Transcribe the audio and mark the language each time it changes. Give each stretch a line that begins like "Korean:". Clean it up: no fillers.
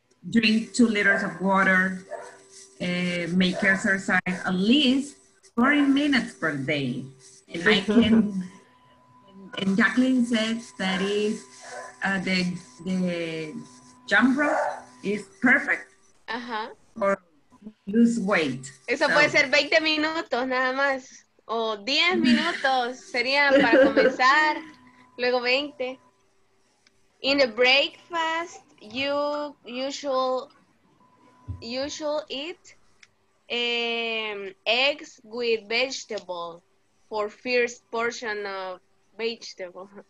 English: drink 2 liters of water, make exercise at least 40 minutes per day. And I can, and Jacqueline said that is the jump rope is perfect for lose weight.
Spanish: Eso puede ser 20 minutos nada más, o 10 minutos sería para comenzar, luego 20.
English: In the breakfast, you should eat eggs with vegetable for first portion of vegetable.